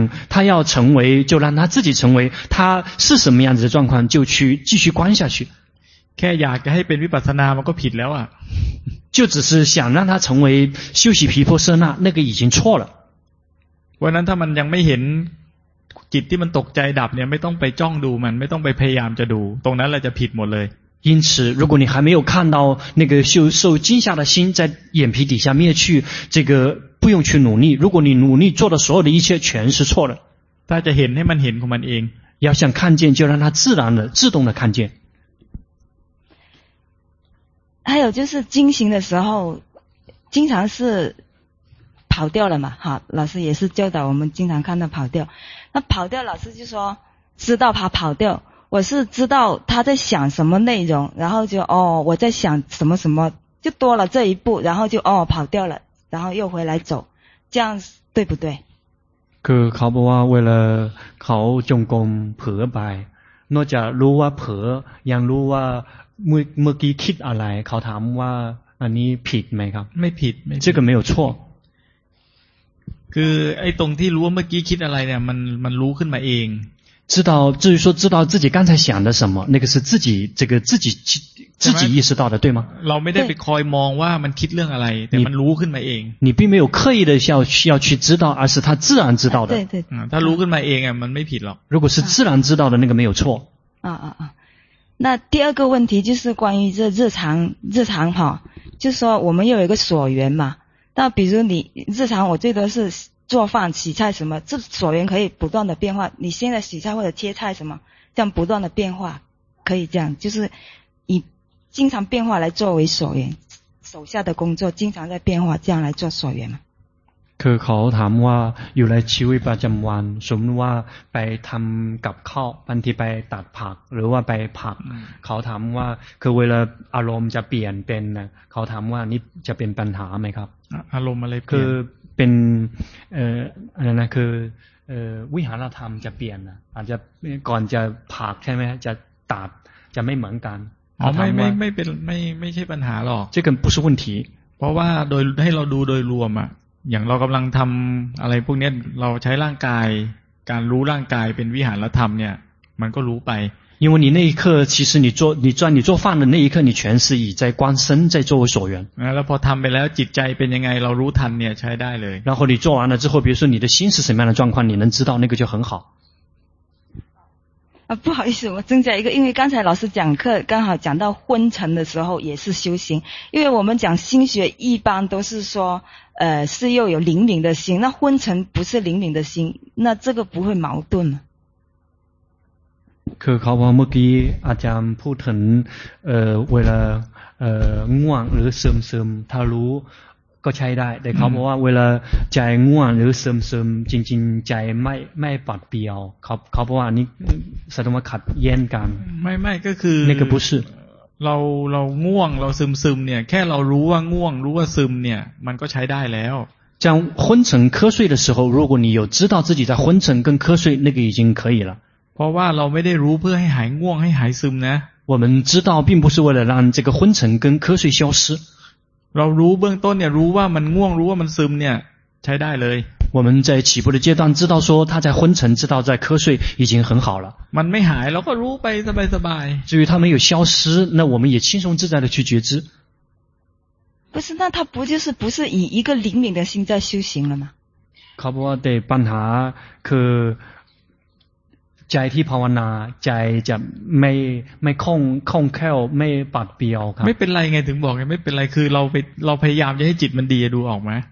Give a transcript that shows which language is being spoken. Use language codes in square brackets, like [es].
[zh] 他要成为就让他自己成为他是什么样子的状况就去继续观下去 [th] แค่อยากจะให้เป็นวิปัสสนามันก็ผิดแล้วอ่ะ [zh] 就只是想让他成为修习皮婆舍那那个已经错了 [th] วันนั้นถ้ามันยังไม่เห็นจิตที่มันตกใจดับเนี่ยไม่ต้องไปจ้องดูมันไม่ต้องไปพยายามจะดูตรงนั้นแหละจะผิดหมดเลย [zh] 因此如果你还没有看到那个受惊吓的心在眼皮底下灭去这个不用去努力如果你努力做的所有的一切全是错的大家 [th] เห็นให้มันเห็นของมันเอง [zh] 要想看见就让它自然的自动的看见还有就是惊醒的时候经常是跑掉了嘛好老师也是教导我们经常看到跑掉那跑掉老师就说知道他跑掉我是知道他在想什么内容，然后就哦我在想什么什么，就多了这一步，然后就哦跑掉了，然后又回来走，这样对不对？ [th] คือเขาบอกว่าเวลาเขาจงกรมเผลอไปนอกจากรู้ว่าเผลอยังรู้ว่าเมื่อกี้คิดอะไรเขาถามว่าอันนี้ผิดไหมครับ ไม่ผิดไม่ [zh] 这个没有错 [th] คือไอ้ตรงที่รู้ว่าเมื่อกี้คิดอะไรเนี่ยมันรู้ขึ้นมาเอง [zh] 知道至于说知道自己刚才想的什么那个是自己这个自己意识到的对吗 [th] เราไม่ได้ไปคอยมองว่ามันคิดเรื่องอะไรแต่มันรู้ขึ้นมาเอง [zh] 你并没有刻意的要去知道而是他自然知道的对对他 [th] รู้ขึ้นมาเองอ่ะมันไม่ผิดหรอก [zh] 如果是自然知道的那个没有错那第二个问题就是关于这日常哈，就是说我们有一个所缘嘛。那比如你日常我最多是做饭、洗菜什么，这所缘可以不断的变化。你现在洗菜或者切菜什么，这样不断的变化，可以这样，就是以经常变化来作为所缘，手下的工作经常在变化，这样来做所缘嘛。 [th] คือเขาถามว่าอยู่ในชีวิตประจำวันสมมติว่าไปทำกับข้าวบางทีไปตัดผักหรือว่าไปผักเขาถามว่าคือเวลาอารมณ์จะเปลี่ยนเป็นเขาถามว่านี่จะเป็นปัญหาไหมครับ อารมณ์อะไรเปลี่ยน คือเป็นอะไรนะคือวิหารธรรมจะเปลี่ยนอาจจะก่อนจะผักใช่ไหมจะตัดจะไม่เหมือนกัน อ๋อไม่เป็นไม่ไม่ใช่ปัญหาหรอก จะเกิดปุชุวันที เพราะว่าโดยให้เราดูโดยรวมอะอย่างเรากำลังทำอะไรพวกนี้เราใช้ร่างกายการรู้ร่างกายเป็นวิหารธรรมเนี่ยมันก็รู้ไป [zh] 因为你那一刻其实你做你专你做饭的那一刻你全是以在观身在作为所缘 [th] แล้วพอทำไปแล้วจิตใจเป็นยังไงเรารู้ทันเนี่ยใช้ได้เลย [zh] 然后你做完了之后比如说你的心是什么样的状况你能知道那个就很好不好意思我增加一个因为刚才老师讲课刚好讲到昏沉的时候也是修行因为我们讲心学一般都是说是又有灵敏的心那昏沉不是灵敏的心那这个不会矛盾吗 [th] คือเขาบอกเมื่อกี้อาจารย์พูดถึงเวลาง่วงหรือซึมถ้ารู้ก็ใช้ได้แต่เขาบอกว่าเวลาใจง่วงหรือซึมจริงๆใจไม่ปลอดเปลี่ยวเขาบอกว่าอันนี้สมมุติขัดแย้งกัน ไม่ก็คือ นี่ก็ [zh] 不是 [th] เราง่วงเราซึมเนี่ยแค่เรารู้ว่าง่วงรู้ว่าซึมเนี่ยมันก็ใช้ได้แล้ว [zh] จาง昏沉瞌睡的时候如果你有知道自己在昏沉跟瞌睡那个已经可以了 [th] เพราะว่าเราไม่ได้รู้เพื่อให้หายง่วงให้หายซึมนะ [zh] 我们知道并不是为了让这个昏沉跟瞌睡消失 [th] เรารู้เบื้องต้นเนี่ยรู้ว่ามันง่วงรู้ว่ามันซึมเนี่ยใช้ได้เลย [zh] 我们在起步的阶段知道说他在昏沉知道在瞌睡已经很好了 [th] มันไม่หายเราก็รู้ไปสบาย [zh] ๆ至于他没有消失那我们也轻松自在的去觉知不是那他不就是不是以一个灵敏的心在修行了吗 [th] เขาบอกว่าได้ปัญหาคือใจที่ภาวนาใจจะไม่คล่องแคล่วไม่ปัดเปียวครับ ไม่เป็นไรไงถึงบอกไงไม่เป็นไรคือเราพยายามจะให้จิตมันดีดูออกไหม